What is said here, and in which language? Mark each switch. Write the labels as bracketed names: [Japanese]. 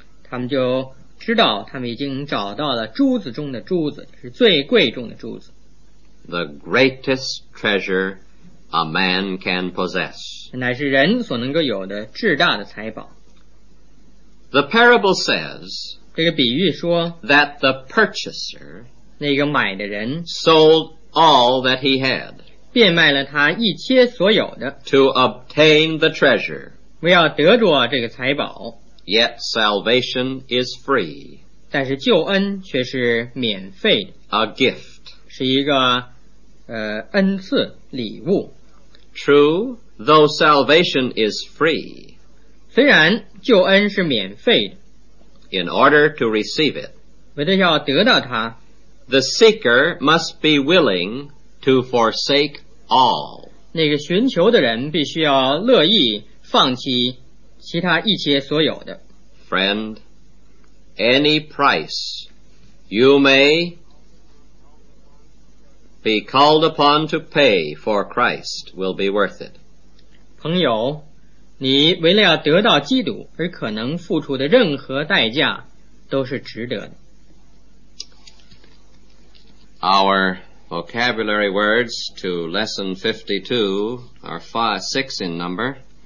[Chinese] 他们就知道他们已经找到了珠子中的珠子，是最贵重的珠子。 [English] The greatest treasure a man can possess. [Chinese] 乃是人所能够有的至大的财宝。 [English] The parable says, [Chinese] 这个比喻说 [English] that the purchaser [Chinese] 那个买的人 [English] sold all that he had [Chinese] 变卖了他一切所有的 [English] to obtain the treasure [Chinese] 为要得着这个财宝。 [English] Yet salvation is free. [Chinese] 但是救恩却是免费的。 [English] A gift. [Chinese] 是一个恩赐礼物。 [English] True, though salvation is free. [Chinese] 虽然救恩是免费的。 [English] In order to receive it. [Chinese] 为了要得到它。 [English] The seeker must be willing to forsake all. [Chinese] 那个寻求的人必须要乐意放弃其他一切所有的。 [English] Friend, any price you may be called upon to pay for Christ will be worth it. [Chinese] 朋友，你为了要得到基督而可能付出的任何代价都是值得的。 [English] Our vocabulary words to lesson 52 are 5-6 in number.